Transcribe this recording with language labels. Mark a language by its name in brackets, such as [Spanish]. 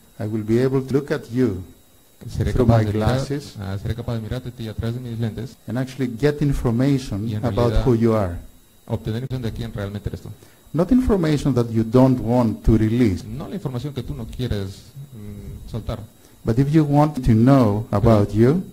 [English] I will be able to look at you through my glasses, [Spanish] seré capaz de mirarte a ti a través de mis lentes, [English] and actually get information about who you are. [Spanish] Obtener información de quién realmente eres tú. [English] Not information that you don't want to release. [Spanish] No la información que tú no quieres soltar. [English] But if you want to know about you,